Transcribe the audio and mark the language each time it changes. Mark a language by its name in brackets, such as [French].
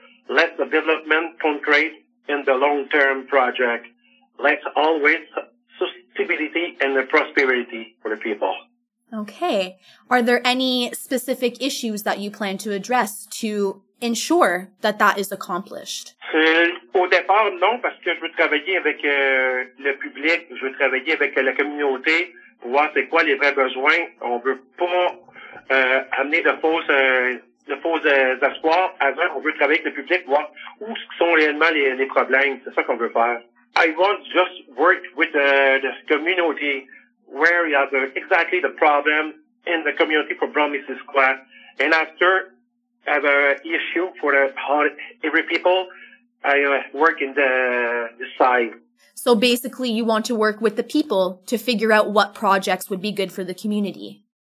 [English] Let the development concrete in the long-term project. Let always sustainability and the prosperity for the people. Okay. Are there any specific issues that you plan to address to ensure that that is accomplished? [French] Au départ, non, parce que je veux travailler avec le public, je veux travailler avec la communauté pour voir c'est quoi les vrais besoins. On veut pas amener de fausses espoirs. Avant, on veut travailler avec le public, voir où sont réellement les problèmes. [English] C'est ça qu'on veut faire. I want just work with the community. Where you have exactly the problem in the community for Brome-Missisquoi. And after I have an issue for every people, I work in the side. So basically you want to work with the people to figure out what projects would be good for the community.